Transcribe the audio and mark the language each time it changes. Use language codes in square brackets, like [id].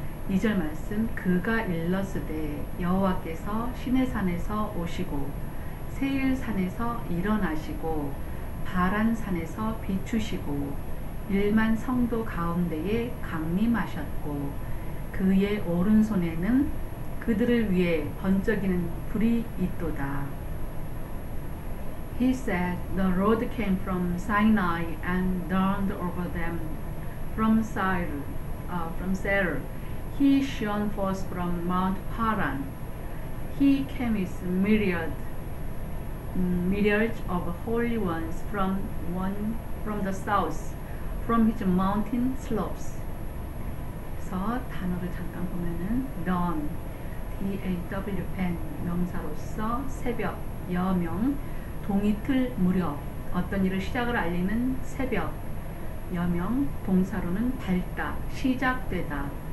[ko] 2절 말씀, 그가 일렀으되 여호와께서 시내산에서 오시고 세일산에서 일어나시고 바란산에서 비추시고 일만 성도 가운데에 강림하셨고 그의 오른손에는 그들을 위해 번쩍이는 불이 있도다. [en] He said, the Lord came from Sinai and dawned over them from Seir. He shone forth from Mount Paran. He came with myriads of holy ones from the south, from his mountain slopes. [ko] 그래서 단어를 잠깐 보면은 dawn, D-A-W-N, 명사로서 새벽, 여명, 동이틀 무렵, 어떤 일을 시작을 알리는 새벽, 여명, 동사로는 밝다, 시작되다.